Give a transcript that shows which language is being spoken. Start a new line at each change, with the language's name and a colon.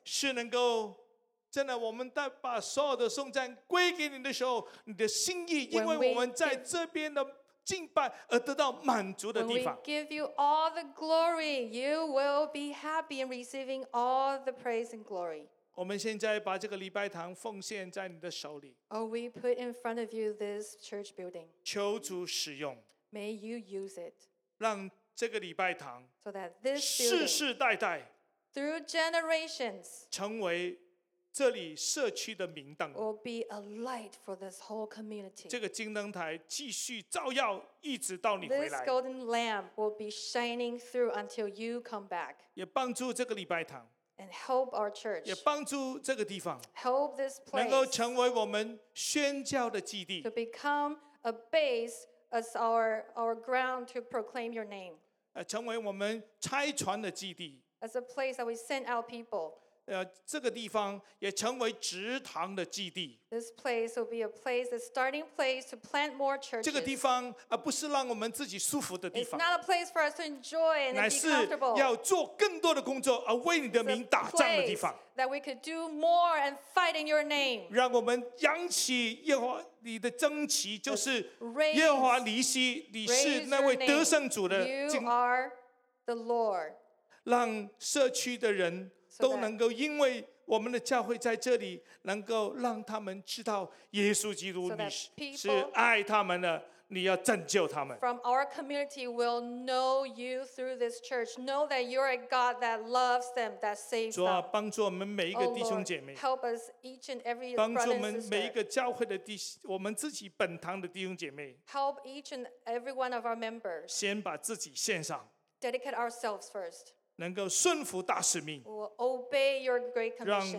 Chinese: 是能够真的，我们在把所有的颂赞归给你的时候，你的心意，因为我们在这边的敬拜而得到满足的地方。
English: When we give you all the glory, you will be happy in receiving all the praise and glory.
Chinese: 我们现在把这个礼拜堂奉献在你的手里。
English: Oh, we put in front of you this church building.
Chinese: 求主使用。
English: May you use it.
Chinese: 让这个礼拜堂
English: so that this
Chinese: 世世代代
English: through generations
Chinese: 成为这里社区的明灯
English: will be a light for this whole community.
Chinese: 这个金灯台继续照耀，一直到你回来。
English: This golden lamp will be shining through until you come back.
Chinese: 也帮助这个礼拜堂。
English: And help our church.
Chinese: 也帮助这个地方。
English: Help this place.
Chinese: 能够成为我们宣教的基地。
English: To become a base as our ground to proclaim your name.
Chinese: 成为我们差传的基地。
English: As a place that we send out people.
Chinese: 这个地方也成为植堂的基地。
English: This place will be a place, a starting place to plant more churches.
Chinese: 这个地方不是让我们自己舒服的地方。
English: It's not a place for us to enjoy and be comfortable.
Chinese: 乃是要做更多的工作而为你的名打仗的地方。
English: It's a place that we could do more and fight in your name.
Chinese: 让我们扬起耶和华你的征旗，就是耶和华尼西，你是那位得胜主的。
English: You are the Lord.
Chinese: 让社区的人都能够因为我们的教会在这里能够让他们知道耶稣基督你是爱他们的你要拯救他们
English: from our community will know you through this church know that you're a God that loves them that saves them
Chinese: 主啊帮助我们每一个弟兄姐妹
English: help us each and every
Chinese: 帮助我们每一个教会的弟我们自己本堂的弟兄姐妹
English: help each and every one of our members
Chinese: 先把自己献上
English: dedicate ourselves first
Chinese: 能够顺服大使命
English: we'll obey your great commission,